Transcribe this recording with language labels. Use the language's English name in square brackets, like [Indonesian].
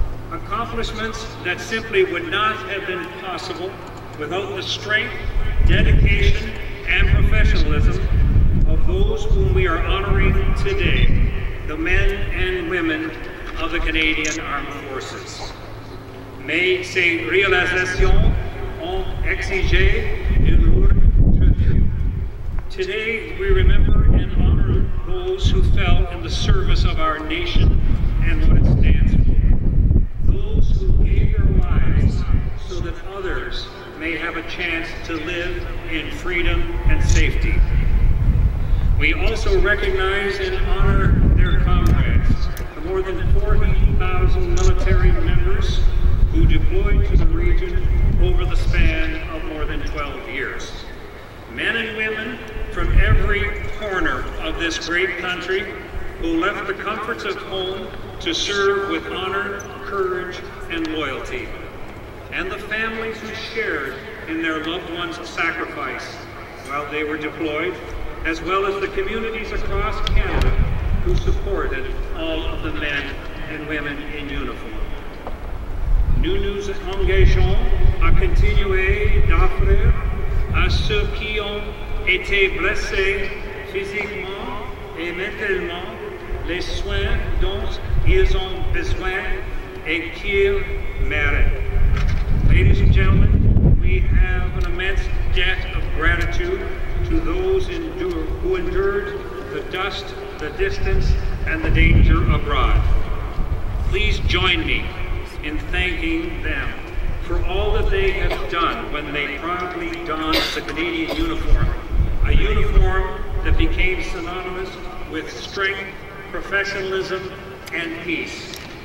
[English] Accomplishments that simply would not have been possible without the strength, dedication, and professionalism of those whom we are honoring today, the men and women of the Canadian Armed Forces. [French] Mais ces réalisations ont exigé une lourde tribute. [English] Today, we remember and honor those who fell in the service of our nation and what it stands for. Those who gave their lives so that others may have a chance to live in freedom and safety. We also recognize and honor their comrades, the more than 40,000 military members who deployed to the region over the span of more than 12 years. Men and women from every corner of this great country who left the comforts of home to serve with honor, courage, and loyalty. And the families who shared in their loved ones' sacrifice while they were deployed, as well as the communities across Canada who supported all of the men and women in uniform. [French] Nous nous engageons à continuer d'offrir à ceux qui ont été blessés physiquement et mentalement les soins dont ils ont besoin et qu'ils méritent. [English] Ladies and gentlemen, we have an immense debt of gratitude to those who endured the dust, the distance, and the danger abroad. Please join me in thanking them for all that they have done when they proudly donned the Canadian uniform, a uniform that became synonymous with strength, professionalism, and peace.